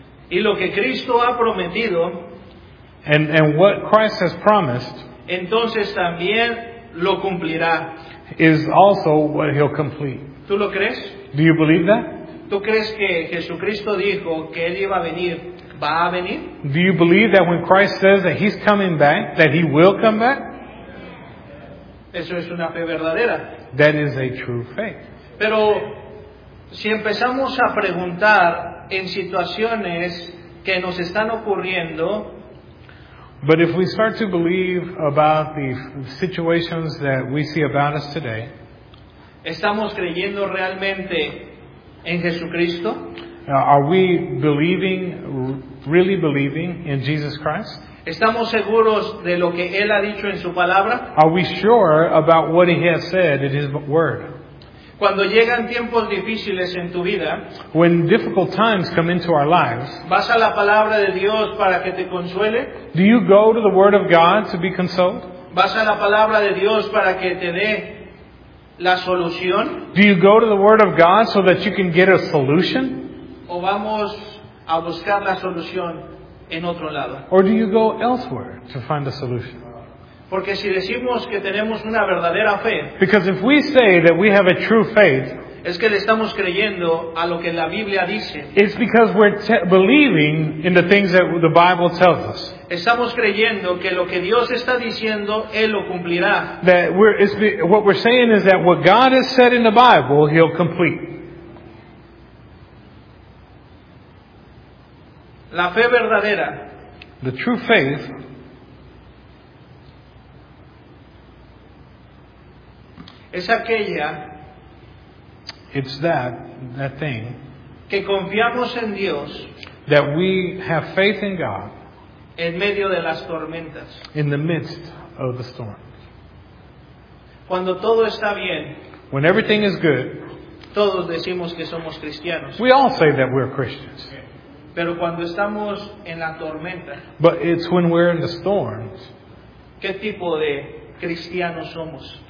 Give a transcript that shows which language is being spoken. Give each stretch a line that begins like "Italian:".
Spanish: Y lo que Cristo ha prometido,
English: and what Christ has promised,
Spanish: entonces también lo cumplirá.
English: Is also what he'll complete.
Spanish: ¿Tú lo crees?
English: Do you believe that?
Spanish: ¿Tú crees que Jesucristo dijo que él iba a venir, va a venir?
English: Do you believe that when Christ says that he's coming back, that he will come back?
Spanish: Eso es una fe verdadera.
English: That is a true faith.
Spanish: Pero si empezamos a preguntar en situaciones que nos están ocurriendo,
English: but if we start to believe about the situations that we see about us today,
Spanish: ¿estamos creyendo realmente en Jesucristo?
English: Are we believing, really believing in Jesus Christ?
Spanish: ¿Estamos seguros de lo que Él ha dicho en su palabra?
English: Are we sure about what He has said in His Word?
Spanish: Cuando llegan tiempos difíciles en tu vida,
English: when difficult times come into our lives,
Spanish: ¿vas a la palabra de Dios para que te consuele?
English: Do you go to the Word of God to be consoled?
Spanish: ¿Vas a la palabra de Dios para que te dé la solución?
English: Do you go to the Word of God so that you can get a solution?
Spanish: ¿O vamos a buscar la solución en otro lado?
English: Or do you go elsewhere to find a solution?
Spanish: Porque si decimos que tenemos una verdadera fe,
English: because if we say that we have a true faith,
Spanish: Es que le estamos creyendo a lo que la Biblia dice.
English: It's because we're believing in the things that the Bible tells us.
Spanish: Estamos creyendo que lo que Dios está diciendo, Él lo cumplirá.
English: That we're, it's be, what we're saying is that what God has said in the Bible, He'll complete.
Spanish: La fe verdadera.
English: The true faith.
Spanish: Es aquella.
English: It's that thing.
Spanish: Que confiamos en Dios.
English: That we have faith in God.
Spanish: En medio de las tormentas.
English: In the midst of the storms.
Spanish: Cuando todo está bien.
English: When everything is good.
Spanish: Todos decimos que somos cristianos.
English: We all say that we're Christians.
Spanish: Pero cuando estamos en la tormenta.
English: But it's when we're in the storms.
Spanish: ¿Qué tipo de cristianos somos?